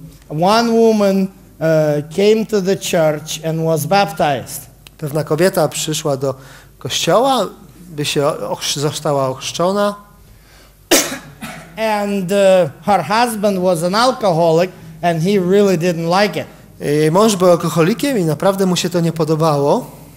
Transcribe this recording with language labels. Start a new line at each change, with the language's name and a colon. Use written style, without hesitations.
English: One woman came to the church and was baptized.
Polish: Pewna kobieta przyszła do kościoła, by się została ochrzczona.
English: And her husband was an alcoholic and he really didn't like it.
Polish: Jej mąż był alkoholikiem i naprawdę mu się to nie podobało.